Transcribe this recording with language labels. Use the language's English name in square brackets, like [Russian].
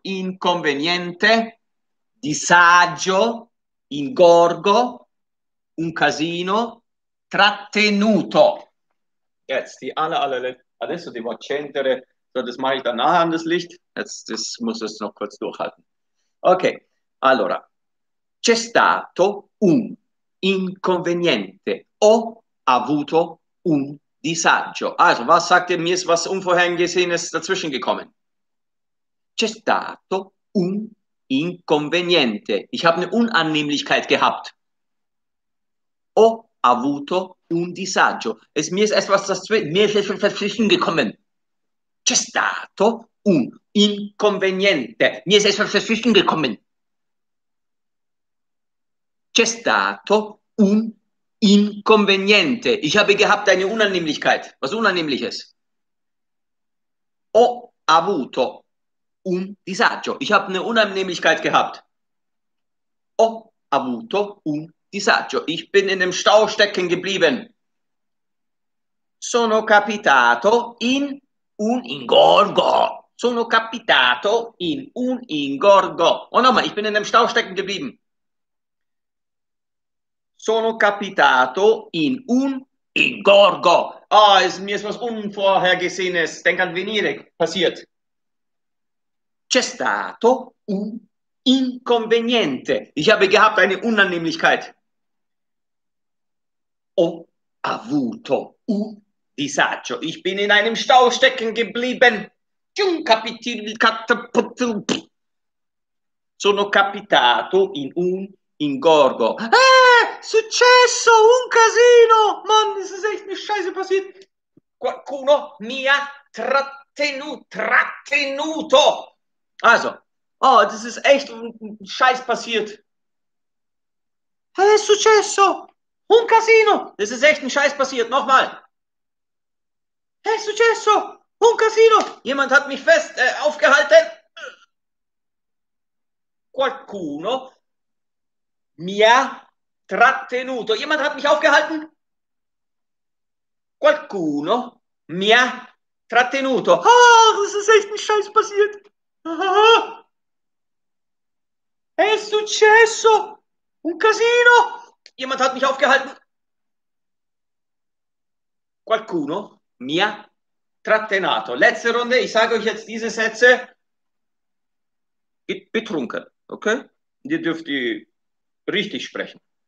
[Italian] Inconveniente, disagio, ingorgo, un casino, trattenuto. [German] Jetzt, die [Italian] adesso devo accendere, [German] so, das mache ich dann nachher an das Licht. Jetzt, das muss ich noch kurz durchhalten. [Italian] Okay, allora, c'è stato un inconveniente. Ho avuto un disagio. [German] Also, was sagt ihr, mir ist was Unvorhergesehenes dazwischen gekommen. [Italian] C'è stato un inconveniente. [German] Ich habe eine Unannehmlichkeit gehabt. [Italian] Ho avuto un disagio. [German] Es, mir ist etwas dazwischen gekommen. [Italian] C'è stato un inconveniente. Mi è stato [German] dazwischen gekommen. [Italian] C'è stato un inconveniente. [German] Ich habe gehabt eine Unannehmlichkeit. Was Unannehmliches. [Italian] Ho avuto un disagio. [German] Ich habe eine Unannehmlichkeit gehabt. [Italian] Ho avuto un disagio. [German] Ich bin in dem Stau stecken geblieben. [Italian] Sono capitato in un ingorgo. Sono capitato in un ingorgo. [German] Oh no, ma ich bin in dem Stau stecken geblieben. [Italian] Sono capitato in un ingorgo. [German] Ah, oh, mir ist was Unvorhergesehenes. Denk an venire, passiert. [Italian] C'è stato un inconveniente. [German] Ich habe gehabt eine Unannehmlichkeit. [Italian] Ho avuto un disagio. [German] Ich bin in einem Stau stecken geblieben. [Italian] Sono capitato in un in gorgo. Successo un casino! [German] Mann, das ist echt eine scheiße passiert. [Italian] Qualcuno mi ha trattenuto. [German] Also, oh, das ist echt ein Scheiß passiert. Was ist [Italian] successo? Un casino! [German] Das ist echt ein Scheiß passiert, nochmal. [Italian] È successo un casino! [German] Jemand hat mich fest aufgehalten. [Italian] Qualcuno mi ha trattenuto. [German] Jemand hat mich aufgehalten? [Italian] Qualcuno mi ha trattenuto. [German] Ah, das ist echt ein Scheiß passiert. [Italian] Ah. È successo un casino! [German] Jemand hat mich aufgehalten. [Italian] Qualcuno mi ha trattenato. [German] Letzte Runde, ich sage euch jetzt diese Sätze. Betrunken, okay? Ihr dürft die richtig sprechen.